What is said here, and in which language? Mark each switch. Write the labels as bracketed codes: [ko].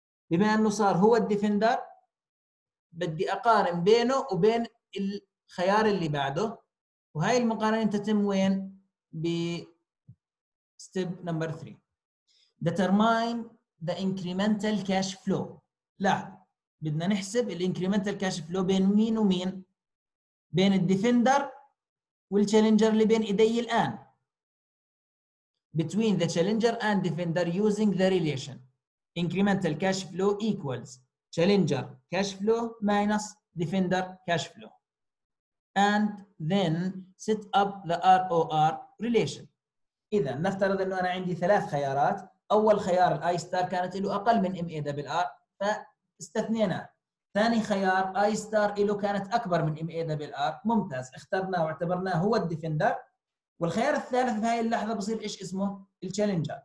[ar] بما أنه صار هو الديفندر بدي أقارن بينه وبين الخيار اللي بعده، وهي المقارنة تتم وين؟ ب [en] step number 3 determine the incremental cash flow. [ar] لا بدنا نحسب الانكريمنتال كاش فلو بين مين ومين؟ بين الديفندر والتشالنجر اللي بين ايدي الان. [en] between the challenger and defender using the relation incremental cash flow equals challenger cash flow minus defender cash flow and then set up the ROR relation. [ar] إذا نفترض أنه أنا عندي ثلاث خيارات، أول خيار الآي ستار كانت له أقل من ام اي دبل ار فاستثنينا، ثاني خيار آي ستار له كانت أكبر من ام اي دبل ار، ممتاز اخترناه واعتبرناه هو الديفندر، والخيار الثالث في هاي اللحظة بصير إيش اسمه؟ التشالنجر.